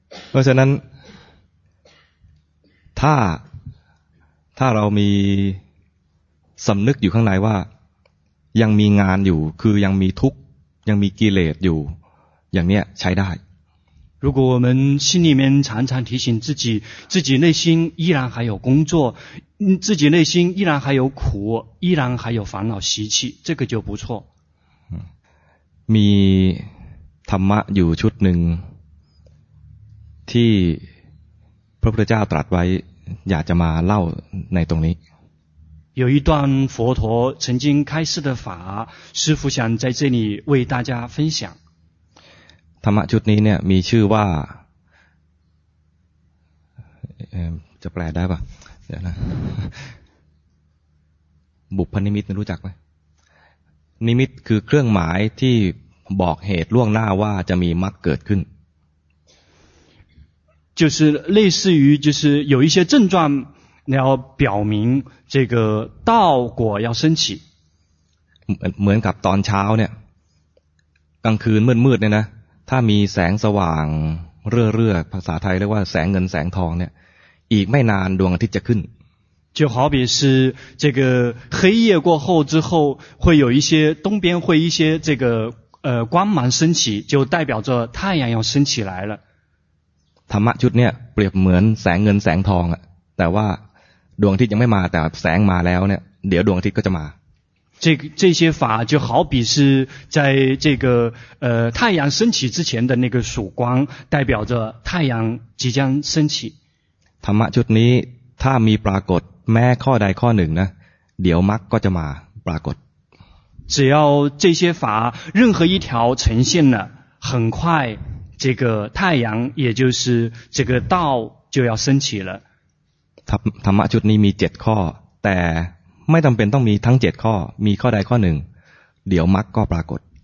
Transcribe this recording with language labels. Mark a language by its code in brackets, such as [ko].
[th] เพราะฉะนั้นถ้าเรามีสำนึกอยู่ข้างในว่ายังมีงานอยู่คือยังมีทุกข์ยังมีกิเลสอยู่อย่างเนี้ยใช้ได้ [zh] 如果我们心里面常常提醒自己，自己内心依然还有工作，自己内心依然还有苦，依然还有烦恼习气，这个就不错。 [th] มีธรรมะอยู่ชุดหนึ่งที่พระพุทธเจ้าตรัสไว้อยากจะมาเล่าในตรงนี้。 [zh] 有一段佛陀曾经开示的法，师父想在这里为大家分享。 [th] ธรรมะชุดนี้เนี่ยมีชื่อว่าจะแปลได้ป่ะเดี๋ยวนะบุพนิมิตรู้จักไหมนิมิตคือเครื่องหมายที่บอกเหตุล่วงหน้าว่าจะมีมรรคเกิดขึ้น [zh] 就是类似于就是有一些症状要表明这个道果要升起 [th] เหมือนกับตอนเช้าเนี่ยกลางคืนมืดๆเนี่ยนะถ้ามีแสงสว่างเรื่อๆภาษาไทยเรียกว่าแสงเงินแสงทองเนี่ยอีกไม่นานดวงอาทิตย์จะขึ้น [zh] 就好比是这个黑夜过后之后会有一些东边会一些这个光芒升起就代表着太阳要升起来了 [th] ธรรมะชุดเนี่ยเปรียบเหมือนแสงเงินแสงทองอ่ะแต่ว่าดวงอาทิตย์ยังไม่มาแต่แสงมาแล้วเนี่ยเดี๋ยวดวงอาทิตย์ก็จะมา [zh] 这些法就好比是在这个太阳升起之前的那个曙光代表着太阳即将升起 [th] ธรรมะชุดนี้ถ้ามีปรากฏแม้ข้อใดข้อหนึ่งนะเดี๋ยวมรรคก็จะมาปรากฏ [zh] 只要这些法任何一条呈现了很快这个太阳也就是这个道就要升起了 [th] ธรรมะชุดนี้มี7ข้อแต่ไม่จำเป็นต้องมีทั้ง7ข้อมีข้อใดข้อหนึ่งเดี๋ยวมรรคก็ปรากฏ